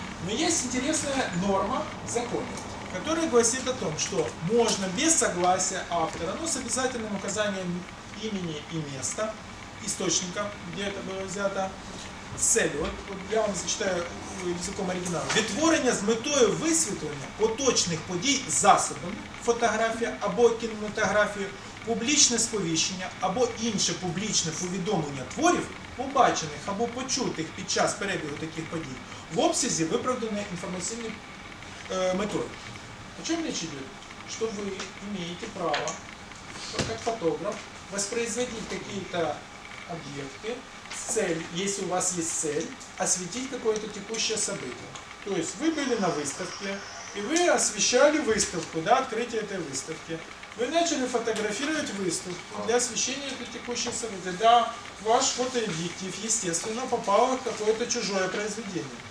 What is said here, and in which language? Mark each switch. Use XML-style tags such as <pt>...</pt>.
<ru>Но есть интересная норма в законе, которая гласит о том, что можно без согласия автора, но с обязательным указанием имени и места, источника, где это было взято, цель. Вот я вам зачитаю языком оригинала.</ru> <uk>Витворення з метою висвітлення поточних подій засобом, фотографія або кінематографія, публічне сповіщення або інше публічне повідомлення творів, побачених або почутих під час перебігу таких подій, в обсязі виправданої інформаційної метою. О чому речі йде? Що ви маєте право, як фотограф, воспроизвести якісь об'єкти з цілею, якщо у вас є ціль, освітити якесь текуще событие. Тобто ви були на виставці, і ви освіщали виставку, да, відкриття цієї виставки.</uk> <ru>Вы начали фотографировать выставку для освещения текущих событий. Да, ваш фотообъектив, естественно, попал в какое-то чужое произведение.</ru>